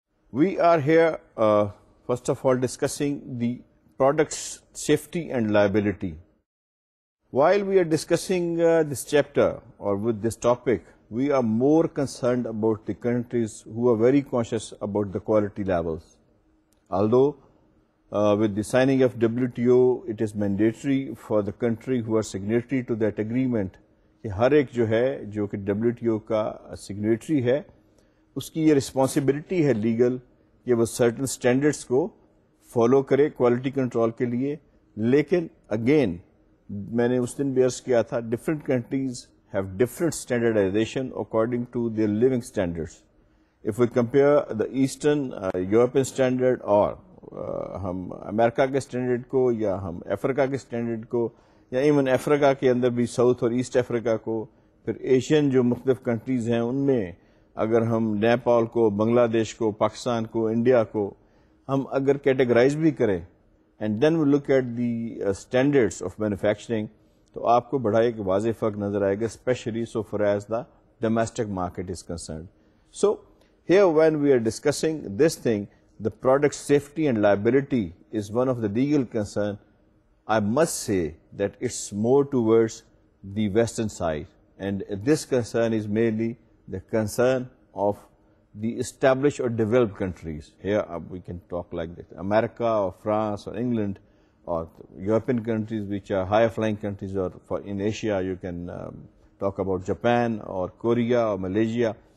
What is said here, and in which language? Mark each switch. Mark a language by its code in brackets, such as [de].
[en] We are here, first of all, discussing the product's safety and liability. While we are discussing this chapter or with this topic, we are more concerned about the countries who are very conscious about the quality levels. Although, with the signing of WTO, it is mandatory for the country who are signatory to that agreement, [ur] ہر ایک جو ہے جو کہ W T O کا signatory ہے اس کی یہ responsibility ہے لیگل کہ وہ سرٹن اسٹینڈرڈس کو فالو کرے کوالٹی کنٹرول کے لیے. لیکن اگین میں نے اس دن بھی عرض کیا تھا, [en] Different countries have different standardization according to their living standards. If we compare the eastern European standard [ur] اور ہم امریکہ کے اسٹینڈرڈ کو یا ہم افریقہ کے اسٹینڈرڈ کو یا ایون افریقہ کے اندر بھی ساؤتھ اور ایسٹ افریقہ کو, پھر ایشین جو مختلف کنٹریز ہیں ان میں اگر ہم نیپال کو, بنگلہ دیش کو, پاکستان کو, انڈیا کو ہم اگر کیٹیگرائز بھی کریں, [en] and then we look at the standards of manufacturing, [ur] تو آپ کو بڑا ایک واضح فرق نظر آئے گا, [en] Especially so far as the domestic market is concerned. So here when we are discussing this thing, the product safety and liability is one of the legal concern. I must say that it's more towards the western side, and this concern is mainly the concern of the established or developed countries. Here we can talk like this, America or France or England or European countries which are higher flying countries, or for in Asia you can talk about Japan or Korea or Malaysia.